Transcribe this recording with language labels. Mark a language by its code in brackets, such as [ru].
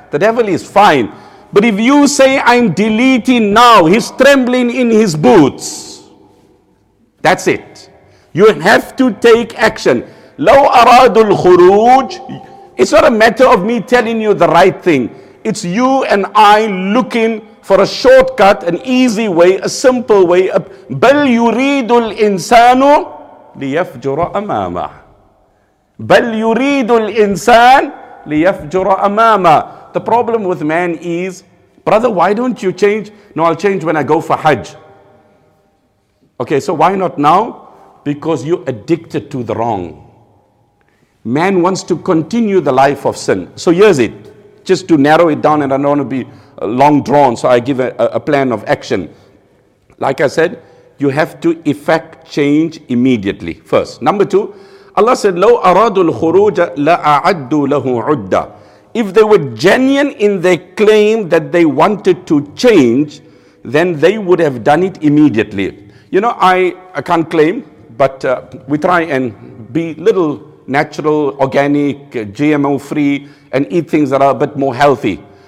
[en] The devil is fine. But if you say, I'm deleting now, he's trembling in his boots. That's it. You have to take action. [ar] لو أرادوا الخروج. [en] It's not a matter of me telling you the right thing. It's you and I looking for a shortcut, an easy way, a simple way. [ar] بل يريد الإنسان ليفجر أمامه. بل يريد الإنسان ليفجر أمامه. [en] The problem with man is, brother, why don't you change? No, I'll change when I go for Hajj. Okay, so why not now? Because you're addicted to the wrong. Man wants to continue the life of sin. So here's it. Just to narrow it down, and I don't want to be long drawn, so I give a plan of action. Like I said, you have to effect change immediately. First. Number two, Allah said, [ar] لو أرادوا الخروج لأعدوا له عدة. [en] If they were genuine in their claim that they wanted to change, then they would have done it immediately. You know, I can't claim, but we try and be little natural, organic, GMO free, and eat things that are a bit more healthy.